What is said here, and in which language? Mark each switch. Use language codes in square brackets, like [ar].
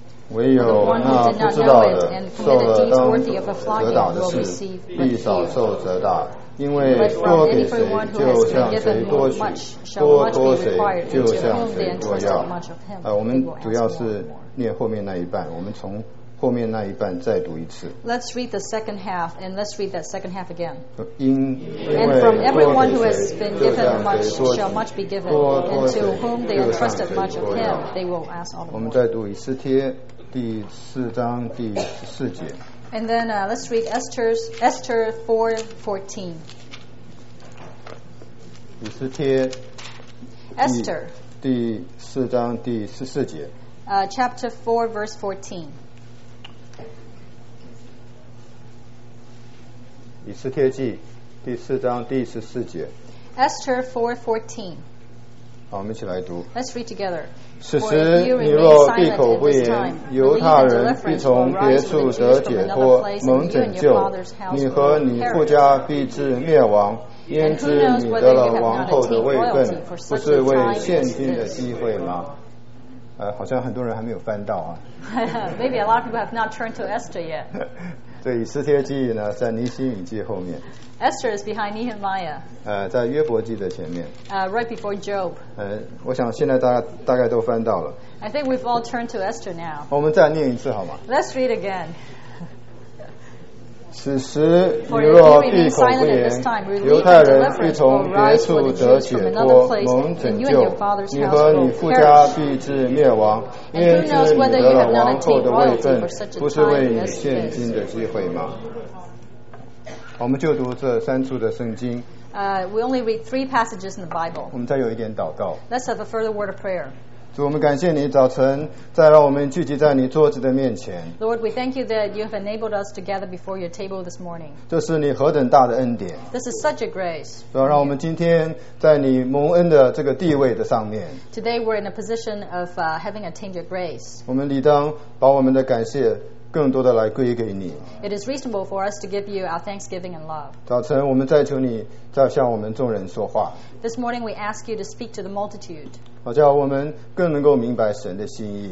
[zh] 唯有那不知道的，受了当责打的事，必少受责打。因为多给谁，就向谁多取；多托谁，就向谁多要。我们主要是念后面那一半，我们从后面那一半再读一次。 [en] Let's read the second half, and let's read that second half again. And from everyone who has been given much shall much be given, and to whom they entrusted much of him, they will ask all the more. [zh] 我们再读以斯帖第四章第四节。 [en] And then let's read Esther 4:14. [zh] 以斯帖。 [en] Esther [zh] 第四章第十四节。 [en] Chapter 4, verse 14. [zh] 以斯帖记第四章第十四节。 [en] Esther 4:14. [zh] 好，我们一起来读。 [en] Let's read together. [zh] 此时你若闭口不言，犹太人必从别处得解脱，蒙拯救。你和你父家必至灭亡。焉知你得了王后的位分，不是为现今的机会吗？好像很多人还没有翻到啊。 [en] Maybe a lot of people have not turned to Esther yet. [zh] 对，以斯帖记呢，在尼希米记后面。 [en] Esther is behind Nehemiah. [zh] 在约伯记的前面。 [en] Right before Job. [zh] 我想现在大概都翻到了。 [en] I think we've all turned to Esther now. [zh] 我们再念一次好吗 [en] ？Let's read again. [zh] 此时你若闭口不言，犹太人必从别处得解脱，蒙拯救。你和你父家必至灭亡。焉知你得了王后的位分，不是为你现今的机会吗？我们就读这三处的圣经。 [en] We only read three passages in the Bible. [zh] 我们再有一点祷告。 [en] Let's have a further word of prayer. [zh] 主，我们感谢你早晨再让我们聚集在你桌子的面前。 [en] Lord, we thank you that you have enabled us to gather before your table this morning. [zh] 这是你何等大的恩典。 [en] This is such a grace. [zh] 主，让我们今天在你蒙恩的这个地位的上面。 [en] Today we're in a position of having attained your grace. [zh] 我们理当把我们的感谢更多的来归给你。 [en] It is reasonable for us to give you our thanksgiving and love. [zh] 早晨我们再求你再向我们众人说话。 [en] This morning we ask you to speak to the multitude. [zh] 叫我们更能够明白神的心意。